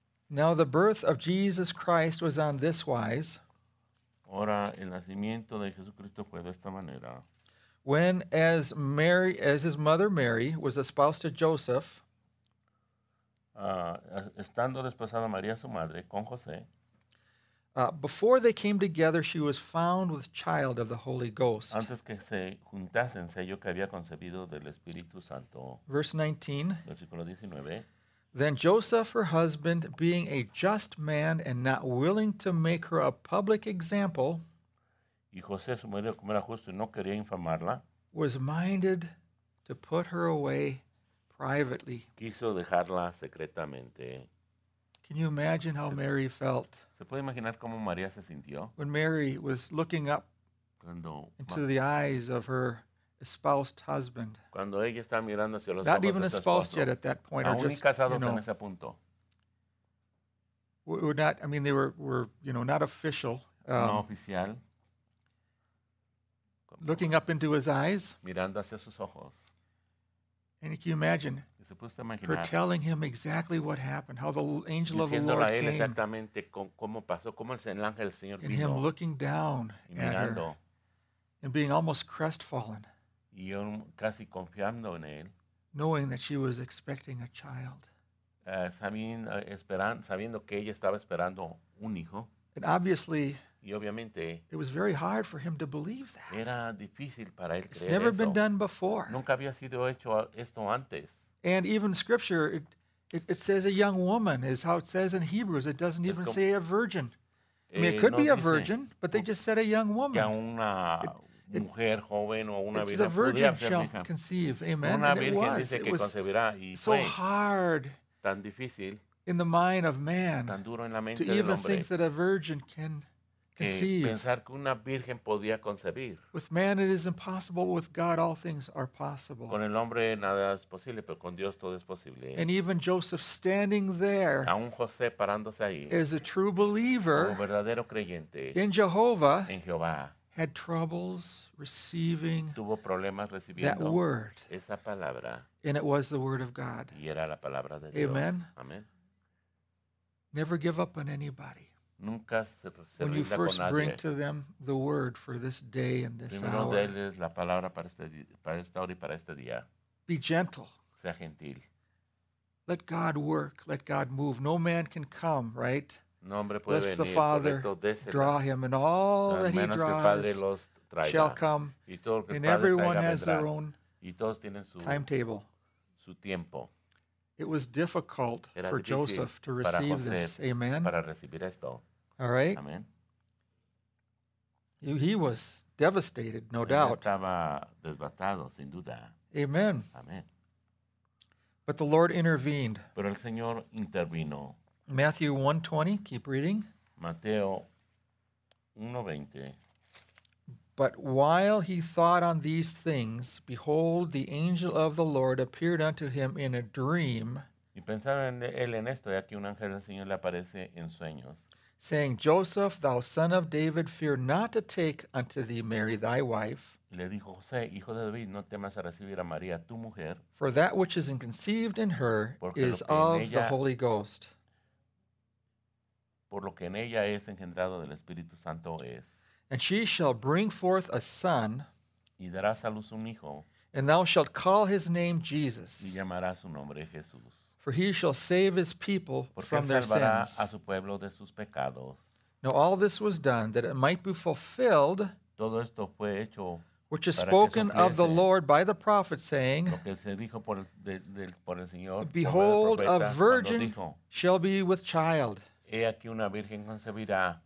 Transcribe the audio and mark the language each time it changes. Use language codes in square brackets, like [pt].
[en] Now the birth of Jesus Christ was on this wise. [es] Ahora, el nacimiento de Jesucristo fue de esta manera. [en] When as Mary, as his mother Mary, was espoused to Joseph. [es] Estando desposada María su madre con José. [en] Before they came together, she was found with child of the Holy Ghost. [es] Antes que se juntasen, se halló que había concebido del Espíritu Santo. [en] Verse 19. [es] Versículo 19. [en] Then Joseph, her husband, being a just man and not willing to make her a public example, [es] y José, su marido, como era justo y no quería infamarla, [en] was minded to put her away privately. [es] Quiso dejarla secretamente. [en] Can you imagine how Mary felt? [es] ¿Se puede imaginar cómo María se sintió? [en] When Mary was looking up [es] cuando [en] into the eyes of her espoused husband. [es] Cuando ella está mirando hacia los [en] not even espoused yet at that point. [es] Aún [en] or just, [es] casados [en] you know, [es] en ese punto. [en] Were not, I mean, they were you know, not official. [es] No oficial. [en] Looking up into his eyes. [es] Mirando hacia sus ojos. [en] And can you imagine [es] se puede imaginar, [en] her telling him exactly what happened, how the angel of the Lord [es] a él [en] came. [es] Exactamente cómo pasó, cómo el ángel, el Señor [en] and [es] vino, [en] him looking down [es] mirando, [en] at her. And being almost crestfallen. [es] Y casi confiando en él, [en] knowing that she was expecting a child. [es] Sabiendo que ella estaba esperando un hijo. [en] And obviously, [es] y obviamente, [en] it was very hard for him to believe that. [es] Era difícil para él [en] it's [es] creer [en] never [es] eso. [en] Been done before. [es] Nunca había sido hecho esto antes. [en] And even scripture, it says a young woman is how it says in Hebrews. It doesn't even say a virgin. I mean, it could [es] no [en] be a virgin, but they just said a young woman. [es] Una mujer joven o una [en] it's a virgin shall conceive. Amen. [es] Una [en] and it was. [es] Dice [en] it [es] que [en] was [es] concebirá, y [en] so [es] fue [en] hard [es] tan difícil, [en] in the mind of man [es] tan duro en la mente [en] to even [es] del hombre, [en] think that a virgin can conceive. [es] Pensar que una virgen podía concebir. [en] With man it is impossible, but with God all things are possible. [es] Con el hombre nada es posible, pero con Dios todo es posible. [en] And even Joseph standing there, [es] aún José parándose ahí, [en] as a true believer, [es] como verdadero creyente, [en] in Jehovah, [es] en Jehová, [en] had troubles receiving [es] tuvo problemas recibiendo [en] that word. [es] Esa palabra. [en] And it was the word of God. [es] Y era la palabra de [en] Amen. [es] Dios. Amen. [en] Never give up on anybody. [es] Nunca se [en] when [es] rinda [en] you first [es] con nadie. [en] Bring to them the word for this day and this [es] primero [en] hour. [es] Déles la palabra para esta hora y para este día. [en] Be gentle. [es] Sea gentil. [en] Let God work. Let God move. No man can come, right? [es] No hombre puede [en] lest [es] venir, [en] the Father draw him and all that he draws shall come [es] y todo [en] and everyone [es] traiga, [en] has their own [es] y todos tienen su [en] timetable. [es] Su tiempo. [en] It was difficult [es] era [en] for Joseph to receive [es] para José, [en] this. Amen. [es] Para recibir esto. [en] All right. Amen. He was devastated, no [es] él [en] doubt. [es] Estaba desbatado, sin duda. [en] Amen. Amen. But the Lord intervened. [es] Pero el Señor intervino. [en] Matthew 1:20, keep reading. [es] Mateo 1:20. [en] But while he thought on these things, behold, the angel of the Lord appeared unto him in a dream. [es] Y pensaba en él en esto, y aquí un ángel del Señor le aparece en sueños. [en] Saying, Joseph, thou son of David, fear not to take unto thee Mary thy wife. [es] Le dijo José, hijo de David, no temas a recibir a María tu mujer. [en] For that which is conceived in her is of the Holy Ghost. [es] Por lo que en ella es engendrado del Espíritu Santo es. [en] And she shall bring forth a son. [es] Y darás a luz un hijo. [en] And thou shalt call his name Jesus. [es] Y llamarás su nombre Jesús. [en] For he shall save his people [es] porque [en] from their sins. [es] Porque salvará a su pueblo de sus pecados. [en] Now all this was done that it might be fulfilled. [es] Todo esto fue hecho. [en] Which is spoken of the Lord by the prophet, saying, [es] lo que se dijo por el Señor, [en] behold, [es] por el profeta, [en] a virgin [es] dijo, [en] shall be with child. [es] He aquí una virgen concebirá,